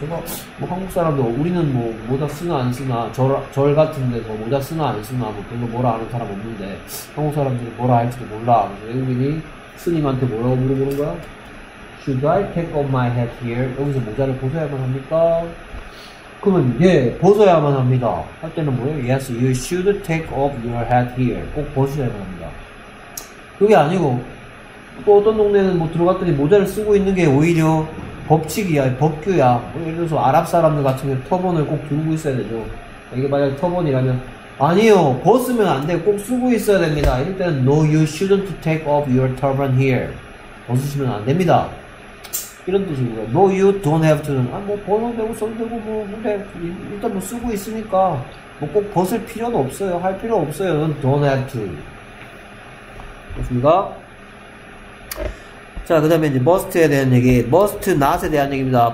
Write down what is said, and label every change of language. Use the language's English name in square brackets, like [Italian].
[Korean] 제가 뭐 한국 사람도 우리는 뭐 모자 쓰나 안 쓰나 절 같은 데서 모자 쓰나 안 쓰나 뭐 별로 뭐라 하는 사람 없는데 한국 사람들이 뭐라 할지도 몰라. 그래서 외국인이 스님한테 뭐라고 물어보는 거야? [English] Should I take off my hat here? [Korean] 여기서 모자를 벗어야만 합니까? 그러면 예, 벗어야만 합니다. 할 때는 뭐예요? [English] Yes, you should take off your hat here. [Korean] 꼭 벗어야만 합니다. 그게 아니고 또 어떤 동네는 뭐 들어갔더니 모자를 쓰고 있는 게 오히려 법칙이야, 법규야. 뭐 예를 들어서 아랍 사람들 같은 경우 터번을 꼭 들고 있어야 되죠. 이게 만약에 터번이라면 아니요, 벗으면 안 돼, 꼭 쓰고 있어야 됩니다. 이럴 때는 [English] No, you shouldn't take off your turban here. [Korean] 벗으시면 안 됩니다. 이런 뜻이고요. [English] No, you don't have to. [Korean] 아, 뭐 벗어도 되고 써도 되고 뭐 근데 일단 뭐 쓰고 있으니까 뭐 꼭 벗을 필요는 없어요. 할 필요 없어요. Don't have to. 좋습니다. 자, 그 다음에 이제 must에 대한 얘기. must not에 대한 얘기입니다.